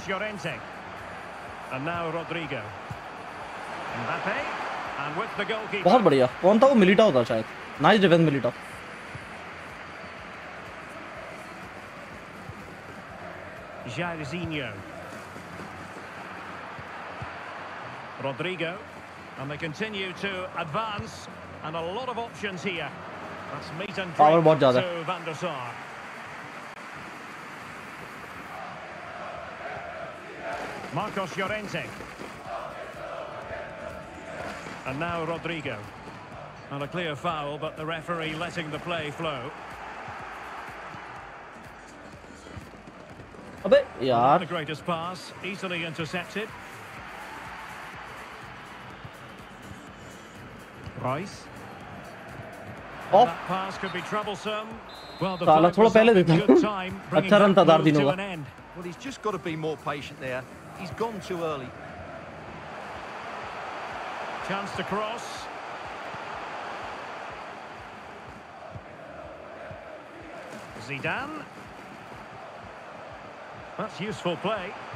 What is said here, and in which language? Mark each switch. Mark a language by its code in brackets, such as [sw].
[en] मिली and now Rodrigo Mbappe and with the goalkeeper [hi] बहुत बढ़िया कौन था वो मिलिटाओ था शायद nice defence Militão [en] Jairzinho. Rodrigo. And they continue to advance. And a lot of options here. That's meat and drink to Van der Sar. Marcos Llorente. And now Rodrigo. And a clear foul, but the referee letting the play flow. [hi] अबे यार [en] the greatest pass easily intercepted Rice off pass could be troublesome well the ball [hi] थोड़ा पहले देता अच्छा run था दार्दिनो का [en] well he's just got to be more patient there he's gone too early chance to cross Zidane That's useful play.